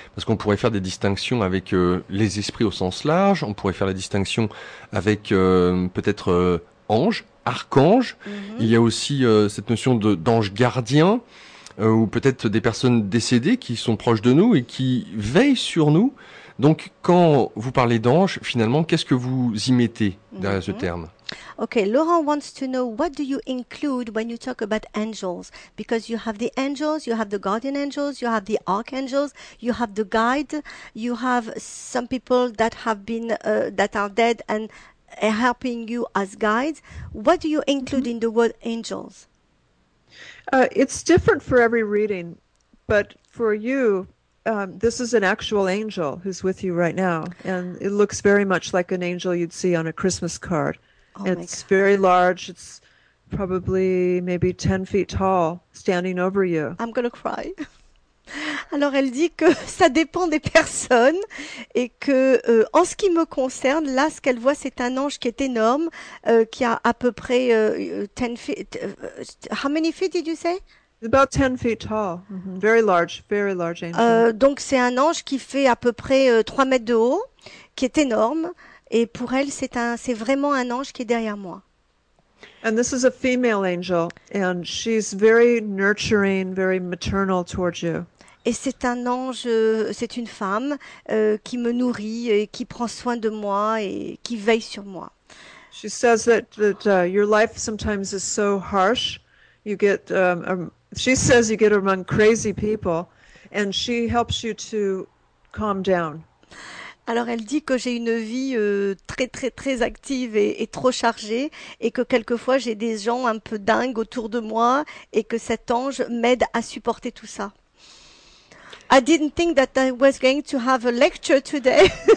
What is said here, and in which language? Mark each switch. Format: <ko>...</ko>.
<fr>Parce qu'on pourrait faire des distinctions avec les esprits au sens large, on pourrait faire la distinction avec peut-être ange, archange. Mm-hmm. Il y a aussi cette notion d'ange gardien, ou peut-être des personnes décédées qui sont proches de nous et qui veillent sur nous. Donc, quand vous parlez d'ange, finalement, qu'est-ce que vous y mettez derrière ce terme?</fr> <en>Okay, Laurent wants to know, what do you include when you talk about angels? Because you have the angels, you have the guardian angels, you have the archangels, you have the guide, you have some people that have been, that are dead and are helping you as guides. What do you include in the word angels? It's different for every reading, but for you... this is an actual angel who's with you right now, and it looks very much like an angel you'd see on a Christmas card. Oh, it's very large. It's probably maybe 10 feet tall, standing over you. I'm going to cry.</en> <fr>Alors, elle dit que ça dépend des personnes et que, en ce qui me concerne, là, ce qu'elle voit, c'est un ange qui est énorme, qui a à peu près 10 feet.</fr> <en>How many feet did you say? About 10 feet tall. Mm-hmm. Very large, very large angel.</en> <fr>Donc c'est un ange qui fait à peu près 3 mètres de haut, qui est énorme, et pour elle c'est vraiment un ange qui est derrière moi.</fr> <en>And this is a female angel, and she's very nurturing, very maternal towards you.</en> <fr>Et c'est un ange, c'est une femme qui me nourrit et qui prend soin de moi et qui veille sur moi.</fr> <en>She says that your life sometimes is so harsh. You get she says you get among crazy people, and she helps you to calm down.</en> <fr>Alors elle dit que j'ai une vie très très très active et trop chargée, et que quelquefois j'ai des gens un peu dingues autour de moi, et que cet ange m'aide à supporter tout ça.</fr> <en>I didn't think that I was going to have a lecture today.</en>